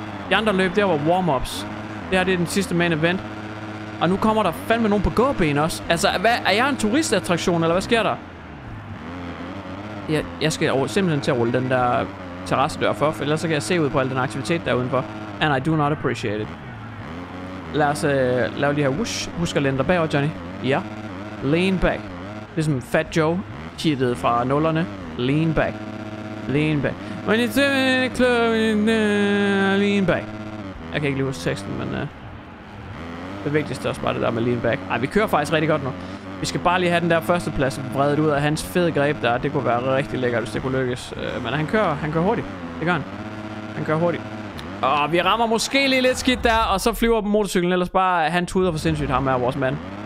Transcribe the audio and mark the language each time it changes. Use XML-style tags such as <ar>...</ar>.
<da>De andre løb, det var warm-ups. Det her, det er den sidste main event. Og nu kommer der fandme nogen på gåben også. Altså, hvad, er jeg en turistattraktion, eller hvad sker der? Jeg skal simpelthen til at rulle den der terrassedør for, for ellers så kan jeg se ud på al den aktivitet der udenfor.</da> <en>And I do not appreciate it.</en> <da>Lad os lave de her whoosh. Husk at lande der bagover, Johnny. Ja.</da> <en>Lean back.</en> <da>Ligesom Fat Joe, cheated fra nullerne.</da> <en>Lean back. Lean back. When you turn it close, lean back.</en> <da>Jeg kan ikke lige huske teksten, men det vigtigste er også bare det der med</da> <en>lean back.</en> <da>Ej, vi kører faktisk rigtig godt nu. Vi skal bare lige have den der førsteplads vredet ud af hans fede greb der. Det kunne være rigtig lækkert, hvis det kunne lykkes. Men han kører hurtigt. Det gør han. Han kører hurtigt. Og vi rammer måske lige lidt skidt der, og så flyver på motorcyklen. Ellers bare, han tuder for sindssygt, ham er vores mand.</da>